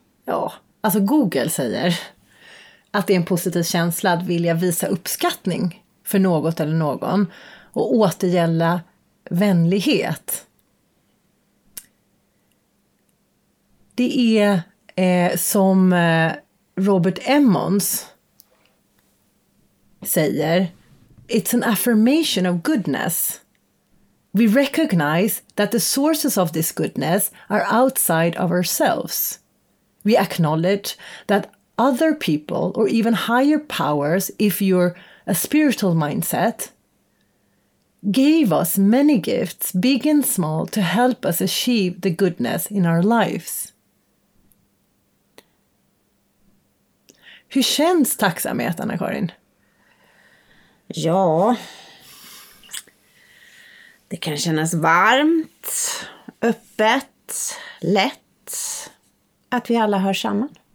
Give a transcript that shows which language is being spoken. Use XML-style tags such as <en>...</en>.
<sv>Ja, alltså Google säger att det är en positiv känsla att vilja visa uppskattning för något eller någon och återgälla vänlighet. Det är som Robert Emmons säger,</sv> <en>it's an affirmation of goodness. We recognize that the sources of this goodness are outside of ourselves. We acknowledge that other people or even higher powers, if you're a spiritual mindset, gave us many gifts, big and small, to help us achieve the goodness in our lives.</en> <sv>Hur känns tacksamhet, Anna-Karin? Ja, det kan kännas varmt, öppet, lätt, att vi alla hör samman.</sv>